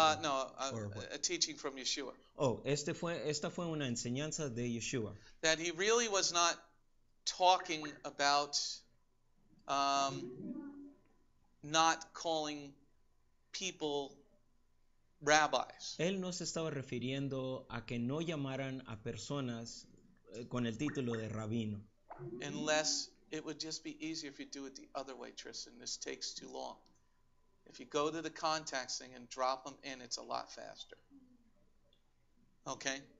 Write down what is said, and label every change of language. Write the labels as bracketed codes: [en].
[en] A teaching from Yeshua. [es] Oh, esta fue una enseñanza de Yeshua. [en] That he really was not talking about not calling people rabbis. [es] Él no se estaba refiriendo a que no llamaran a personas con el título de rabino. [en] Unless it would just be easier if you do it the other way, Tristan. This takes too long. If you go to the contacts thing and drop them in, it's a lot faster. Okay?